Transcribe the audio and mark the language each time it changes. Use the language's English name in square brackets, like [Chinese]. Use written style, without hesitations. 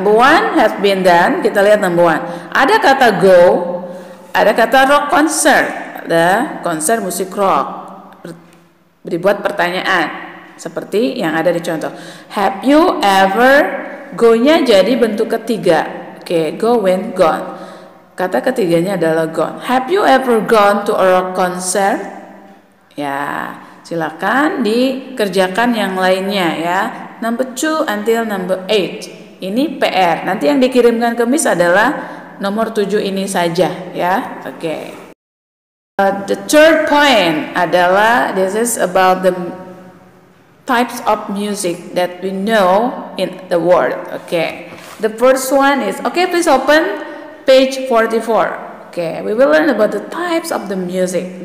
[English] Number one, has been done. [Indonesian] Kita lihat number one. Ada kata go, ada kata rock concert. Ada konser musik rock. Dibuat pertanyaan seperti yang ada di contoh. [English] Have you ever, [Indonesian] go-nya jadi bentuk ketiga. Oke, go, went, gone. Kata ketiganya adalah gone. [English] Have you ever gone to a rock concert? [Indonesian] Ya, silakan dikerjakan yang lainnya ya. [English] Number 2 until number 8. [Indonesian] Ini PR. Nanti yang dikirimkan ke Miss adalah nomor 7 ini saja ya. Oke. Okay. [English] The third point adalah this is about the types of music that we know in the world. Oke. Okay. The first one is okay, please open page 44. Oke, okay. We will learn about the types of the music.